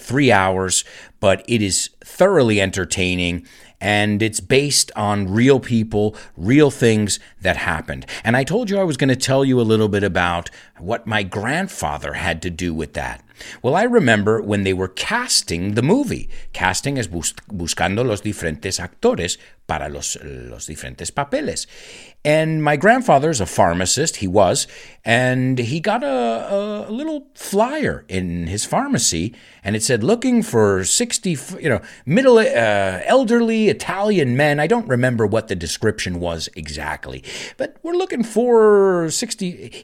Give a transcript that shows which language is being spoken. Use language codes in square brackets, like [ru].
[en] 3 hours, but it is thoroughly entertaining, and it's based on real people, real things that happened. And I told you I was going to tell you a little bit about what my grandfather had to do with that. Well, I remember when they were casting the movie. Casting is [es] buscando los diferentes actores para los diferentes papeles. [en] And my grandfather's a pharmacist, he was, and he got a little flyer in his pharmacy, and it said, looking for 60, you know, middle, elderly Italian men. I don't remember what the description was exactly, but we're looking for 60.